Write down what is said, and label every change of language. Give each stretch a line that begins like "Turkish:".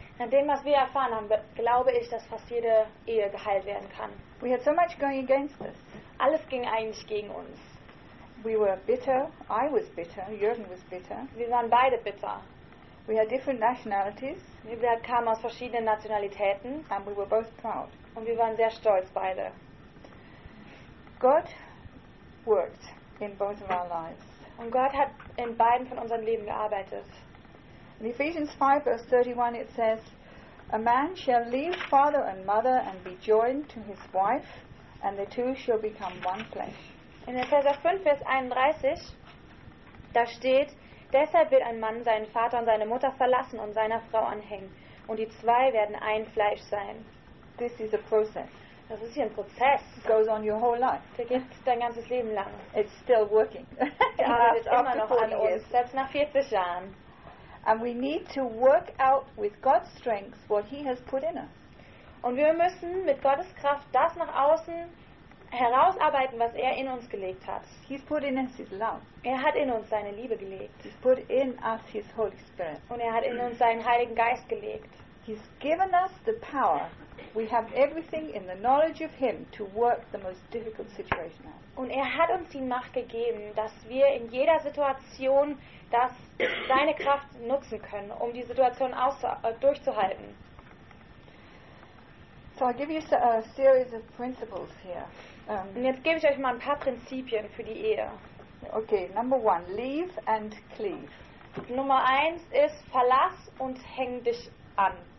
German: Nach dem, was wir erfahren haben, glaube ich, dass fast jede Ehe geheilt werden kann.
English: We had so much going against us.
German: Alles ging eigentlich gegen uns.
English: We were bitter. I was bitter. Jürgen was bitter.
German: Wir waren beide bitter.
English: We had different nationalities.
German: Wir kamen aus verschiedenen Nationalitäten.
English: And we were both proud.
German: Und wir waren sehr stolz beide.
English: God worked in both of our lives.
German: Und Gott hat in beiden von unseren Leben gearbeitet.
English: In Ephesians 5, verse 31, it says, a man shall leave father and mother and be joined to his wife, and the two shall become one flesh.
German: In Epheser 5, Vers 31, da steht, deshalb wird ein Mann seinen Vater und seine Mutter verlassen und seiner Frau anhängen, und die zwei werden ein Fleisch sein.
English: This is a process.
German: Das ist hier ein Prozess.
English: It goes on your whole life.
German: Der geht dein ganzes Leben lang.
English: It's still working.
German: Er arbeitet immer noch an uns, selbst nach 40 Jahren.
English: And we need to work out with God's strength what he has put in us.
German: Und wir müssen mit Gottes Kraft das nach außen herausarbeiten, was er in uns gelegt hat.
English: He's put in us his love.
German: Er hat in uns seine Liebe gelegt.
English: He's put in us his Holy Spirit.
German: Und er hat in uns seinen Heiligen Geist gelegt.
English: He's given us the power. We have everything in the knowledge of him to work the most difficult situation out.
German: Und er hat uns die Macht gegeben, dass wir in jeder Situation das seine Kraft nutzen können, um die Situation durchzuhalten.
English: So I'll give you a series of principles here.
German: Und jetzt gebe ich euch mal ein paar Prinzipien für die Ehe.
English: Okay, number one, leave and cleave.
German: Nummer eins ist, verlass und häng dich an.